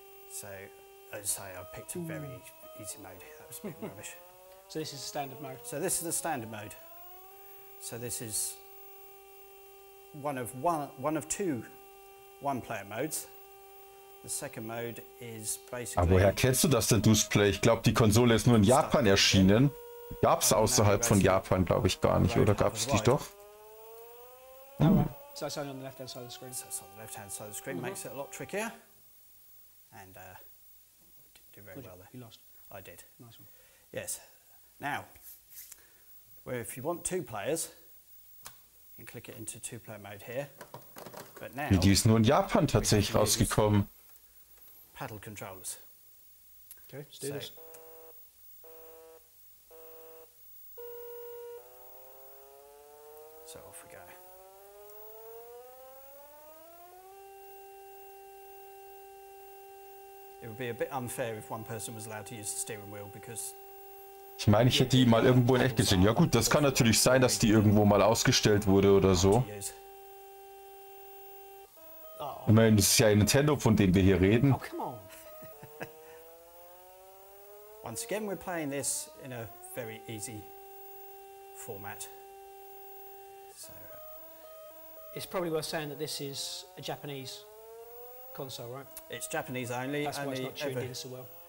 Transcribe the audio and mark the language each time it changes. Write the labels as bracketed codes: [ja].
[en] So, as I say, I picked a very easy mode here. That was a bit rubbish. So this is the standard mode? So this is the standard mode. So this is one of two one-player modes. The second mode is basically... [de] Aber woher kennst du das denn, Display? Ich glaube, die Konsole ist nur in Japan erschienen. Gab's außerhalb von Japan, glaube ich, gar nicht. Oder gab's die doch? [en] So it's only on the left-hand side of the screen. So it's on the left-hand side of the screen. Mm-hmm. Makes it a lot trickier. And did very well there. You lost. I did. Nice one. Yes. Now, where if you want two players, you can click it into two-player mode here. But now... [de] Die ist nur in Japan tatsächlich rausgekommen. [en] Paddle controllers. Okay, let's do this. It would be a bit unfair if one person was allowed to use the steering wheel because... [de] Ich meine, ich hätte die mal irgendwo in echt gesehen. Ja gut, das kann natürlich sein, dass die irgendwo mal ausgestellt wurde oder so. Ich meine, das ist ja ein Nintendo, von dem wir hier reden. [en] Oh, come on. Once again, we're playing this in a very easy format. So, it's probably worth saying that this is a Japanese console, right? It's Japanese only. That's why it's not tuned in so well.